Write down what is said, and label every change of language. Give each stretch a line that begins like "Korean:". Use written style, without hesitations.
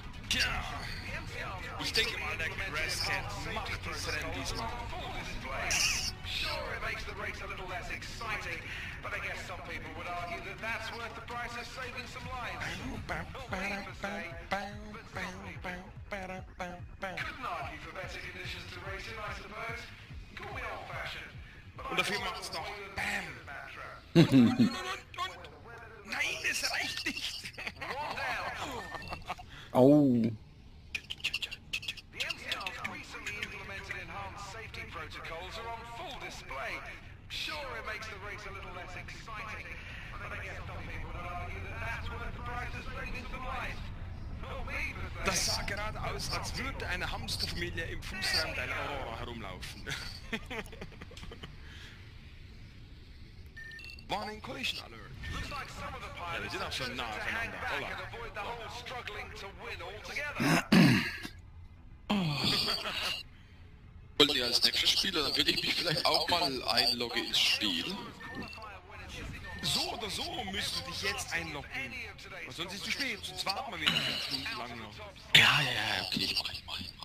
German: Tja, ich denke mal, der Crescat macht das Rennen diesmal.
English: Sure, it makes the race a little less exciting, but I guess some people would argue that that's worth the price of saving some lives. Couldn't argue for better conditions to race in, I suppose. Call me old-fashioned, but
German: und dafür macht's noch BAM! Nein, es reicht nicht! Oh.
English: The MCR's recently implemented enhanced safety protocols are on full display. Sure, it makes the race a little less exciting, but I guess some people would argue that that's worth the price of saving some life.
German: Das sah gerade aus, als würde eine Hamsterfamilie im Fußland einer Aurora herumlaufen.
English: Warning collision alert. Looks like some of the pilots are choosing to hang back and avoid the whole struggling to win altogether.
German: Wollt ihr als nächstes Spieler, dann würde ich mich vielleicht auch mal einloggen ins Spiel. So oder so müsst du dich jetzt einloggen. Weil sonst ist es zu spät, sonst warten wir wieder 5 Stunden lang noch. Ja, okay, ich mach.